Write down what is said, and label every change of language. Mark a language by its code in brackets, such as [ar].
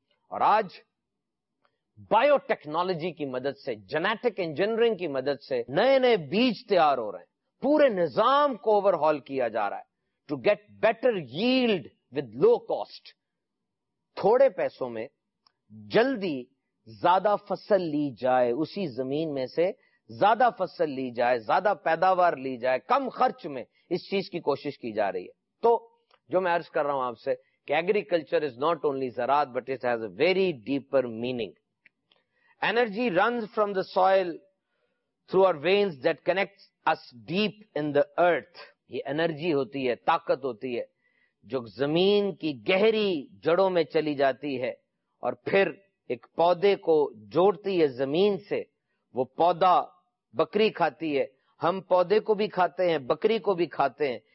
[ur] اور آج bio technology کی مدد سے, جینیٹک انجینئرنگ کی مدد سے نئے نئے بیج تیار ہو رہے ہیں, پورے نظام کو اوور ہال کیا جا رہا ہے [en] to get better yield with low cost, [ur] تھوڑے پیسوں میں جلدی زیادہ فصل لی جائے, اسی زمین میں سے زیادہ فصل لی جائے, زیادہ پیداوار لی جائے کم خرچ میں, اس چیز کی کوشش کی جا رہی ہے. تو جو میں عرض کر رہا ہوں آپ سے کہ [en] agriculture is not only [ur] زراعت [en] But it has a very deeper meaning. Energy runs from the soil through our veins that connects us deep in the earth. [ur] یہ energy ہوتی ہے, طاقت ہوتی ہے جو زمین کی گہری جڑوں میں چلی جاتی ہے اور پھر ایک پودے کو جوڑتی ہے زمین سے. وہ پودا بکری کھاتی ہے, ہم پودے کو بھی کھاتے ہیں, بکری کو بھی کھاتے ہیں.